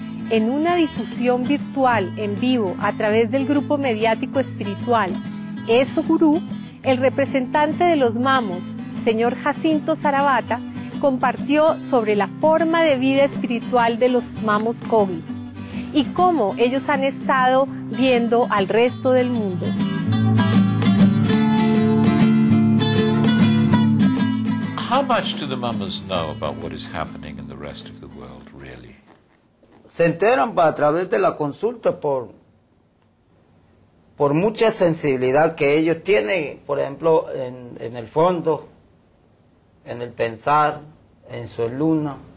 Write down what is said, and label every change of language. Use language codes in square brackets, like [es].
[es] En una difusión virtual en vivo a través del grupo mediático espiritual Eso Gurú, el representante de los Mamos, señor Jacinto Sarabata, compartió sobre la forma de vida espiritual de los Mamos Kogi y cómo ellos han estado viendo al resto del mundo. [en] How much do the mamas know about what is happening in the rest of the world, really? [es] Se enteran a través de la consulta por mucha sensibilidad que ellos tienen, por ejemplo, en el fondo, en el pensar, en su luna.